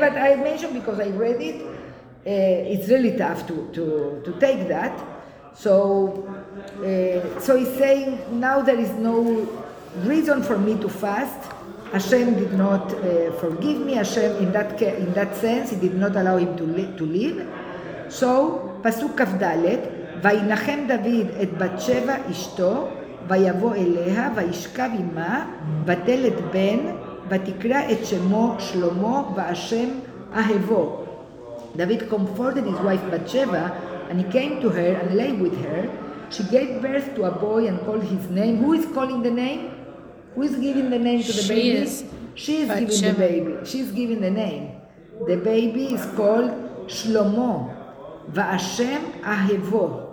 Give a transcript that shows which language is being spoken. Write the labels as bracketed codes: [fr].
[en] but I mentioned because I read it. It's really tough to take that. So he's saying, now there is no reason for me to fast. Hashem did not forgive me. Hashem, in that sense, he did not allow him to live. [he] So, Pasuk Kaf Dalet, Vayinachem David et Batsheva Ishto, ויבוא אליה, וישכב עמה, ותלד בן, ותקרא את שמו שלמה, והשם אהבו. [en] David comforted his wife Bathsheba, and he came to her and lay with her. She gave birth to a boy and called his name. Who is calling the name? Who is giving the name to the baby? She is giving the name. The baby is called Shlomo, והשם אהבו.